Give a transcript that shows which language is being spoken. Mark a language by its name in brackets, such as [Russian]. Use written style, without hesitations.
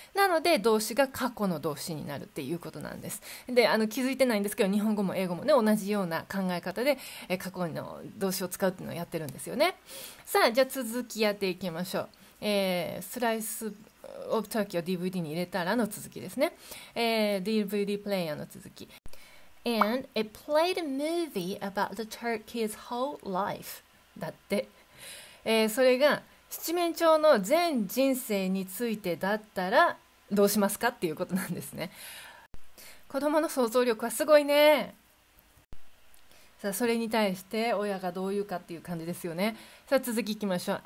[Japanese] なので動詞が過去の動詞になるっていうことなんです。で、気づいてないんですけど、日本語も英語もね同じような考え方で、過去の動詞を使うっていうのをやってるんですよね。さあじゃあ続きやっていきましょう。スライスオブターキーを DVD に入れたらの続きですね。 DVD プレイヤーの続き。 [English] And it played a movie about the turkey's whole life [Japanese] だって。それが七面鳥の全人生についてだったらどうしますかっていうことなんですね。子どもの想像力はすごいね。さあそれに対して親がどう言うかっていう感じですよね。さあ続きいきましょう。